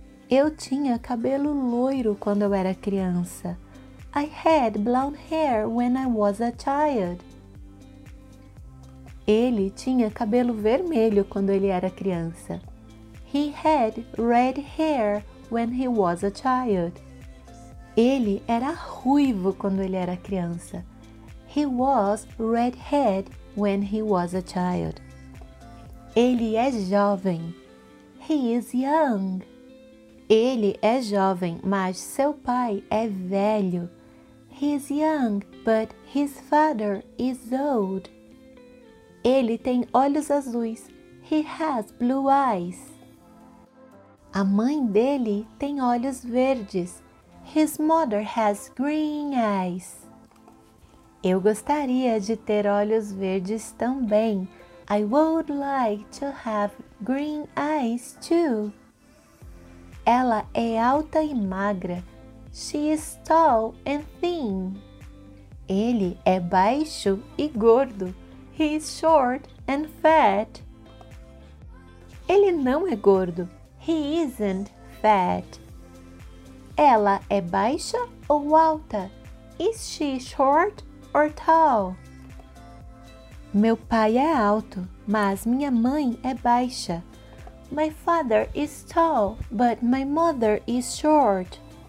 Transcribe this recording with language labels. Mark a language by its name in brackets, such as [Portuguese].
[Portuguese] Eu tinha cabelo loiro quando eu era criança. [English] I had blonde hair when I was a child. [Portuguese] Ele tinha cabelo vermelho quando ele era criança. [English] He had red hair when he was a child. [Portuguese] Ele era ruivo quando ele era criança. [English] He was red-haired when he was a child. [Portuguese] Ele é jovem. [English] He is young. [Portuguese] Ele é jovem, mas seu pai é velho. [English] He is young, but his father is old. [Portuguese] Ele tem olhos azuis. [English] He has blue eyes. [Portuguese] A mãe dele tem olhos verdes. [English] His mother has green eyes. [Portuguese] Eu gostaria de ter olhos verdes também. [English] I would like to have green eyes too. [Portuguese] Ela é alta e magra. [English] She is tall and thin. [Portuguese] Ele é baixo e gordo. [English] He is short and fat. [Portuguese] Ele não é gordo. [English] He isn't fat. [Portuguese] Ela é baixa ou alta? [English] Is she short or tall? [Portuguese] Meu pai é alto, mas minha mãe é baixa. [English] My father is tall, but my mother is short.